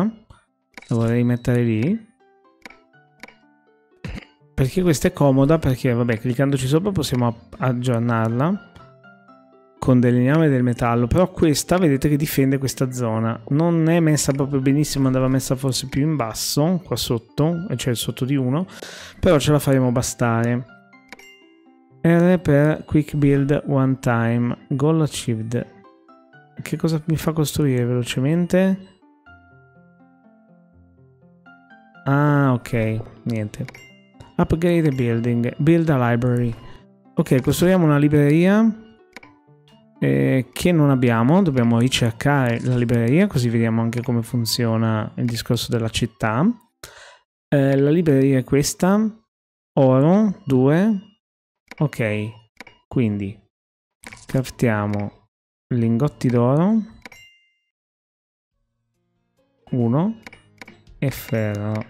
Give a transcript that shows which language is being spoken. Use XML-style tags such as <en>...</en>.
<it>La vorrei mettere lì, perché questa è comoda, perché vabbè, cliccandoci sopra possiamo aggiornarla con del legname e del metallo. Però questa, vedete che difende questa zona. Non è messa proprio benissimo, andava messa forse più in basso, qua sotto, cioè sotto di uno. Però ce la faremo bastare.</it> <en>R per quick build one time. Goal achieved.</en> <it>Che cosa mi fa costruire velocemente? Ah, ok, niente.</it> <en>Upgrade the building, build a library.</en> <it>Ok, costruiamo una libreria che non abbiamo. Dobbiamo ricercare la libreria, così vediamo anche come funziona il discorso della città. La libreria è questa. Oro, 2. Ok, quindi craftiamo lingotti d'oro, 1, e ferro.</it>